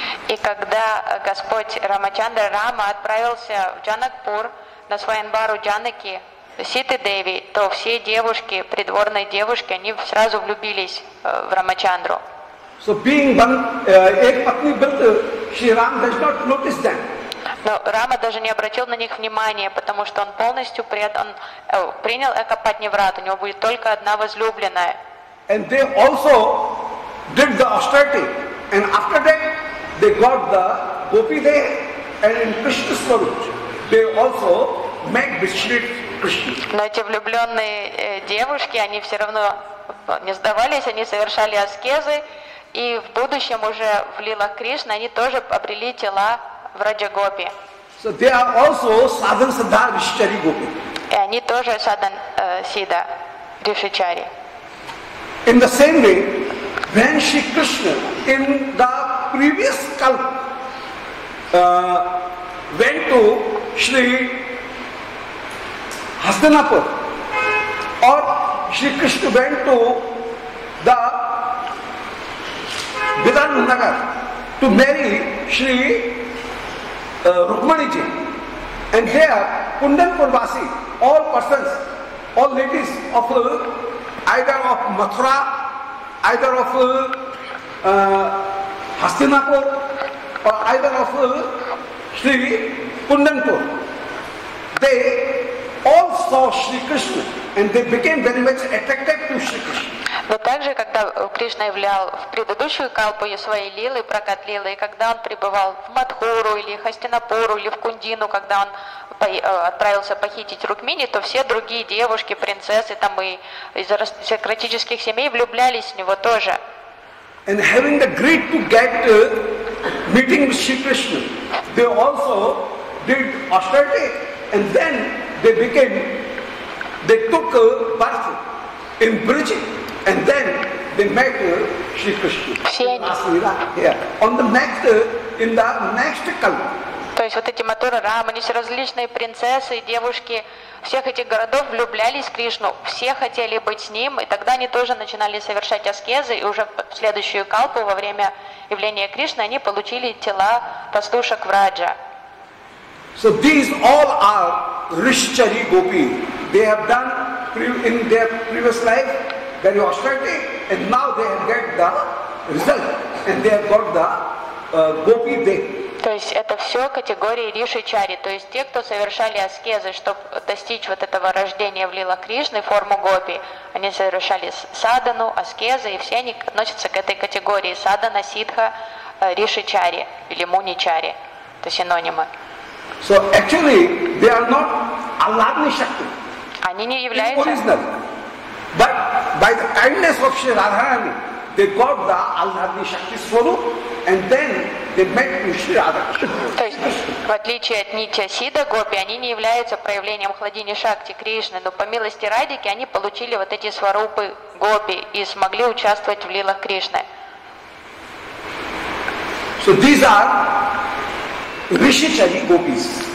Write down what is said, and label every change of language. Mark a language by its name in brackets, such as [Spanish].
[Russian] И когда Господь Рамачандра Рама отправился в Джанакпур на Свайанбару Джанаки Ситы Деви, то все девушки, придворные девушки, они сразу влюбились в Рамачандру. [English] So being one, ek patni vrt, Shri Ram does not notice them. [Russian] Но Рама даже не обратил на них внимания, потому что он полностью предан, принял экапатни врат, у него будет только одна возлюбленная. [English] And they also did the austerity. And after that, they got the gopi there, and in Krishna Swarup, they also met Shri Krishna. [Russian] Но эти влюбленные девушки, они все равно не сдавались, они совершали аскезы, и в будущем уже в лилах Кришны они тоже обрели тела в Раджа-гопи. [English] So they are also sadhan siddha rishichari gopi. [Russian] И они тоже sadhan siddha rishichari. [English] In the same way, when Shri Krishna in the previous kalp went to Shri Hastinapur, or Shri Krishna went to the Vidhanagar to marry Shri Rukmani ji, and there Kundanpur Vasi, all persons, all ladies of either of Mathura, either of Hastinapur, or either of Shri Kundanpur, they all saw Shri Krishna and they became very much attracted to Shri Krishna. [Russian] Но также, когда Кришна являл в предыдущую калпу свои лилы, прокат лилы, и когда он пребывал в Матхуру, или Хастинапуру, или в Кундину, когда он отправился похитить Рукмини, то все другие девушки, принцессы там и из аристократических семей влюблялись в него тоже. [English] And having the greed to get to meeting with Shri Krishna, they also did austerity, and then they became, they took birth in Briji. And then they met Shri Krishna. Yeah. On the next, in the next kalpa. [Russian] То есть вот эти Матура, Рама, они все различные принцессы, девушки всех этих городов влюблялись в Кришну. Все хотели быть с ним, и тогда они тоже начинали совершать аскезы, и уже в следующую калпу во время явления Кришны они получили тела пастушек в Раджа. [English] So these all are Rishichari Gopi. They have done in their previous life. Very austerity, and now they have got the result, and they have got the gopi day. [Russian] То есть это все категории ришичари, то есть те, кто совершали аскезы, чтобы достичь вот этого рождения в лилах Кришны, форму гопи, они совершали садхану, аскезы, и все они относятся к этой категории садхана, сидха, ришичари или муничари, это синонимы. [English] So actually, they are not aladni shakti. [Russian] Они не являются. [English] But by the kindness of Shri Radharani, they got the Aladni Shakti Swarup, and then they met Shri Radha Krishna. [Russian] То есть, в отличие от Нитья Сидха Гопи, они не являются проявлением Хладини Шакти Кришны, но по милости Радики они получили вот эти сварупы Гопи и смогли участвовать в лилах Кришны. [English] So these are Ришичари Гопис.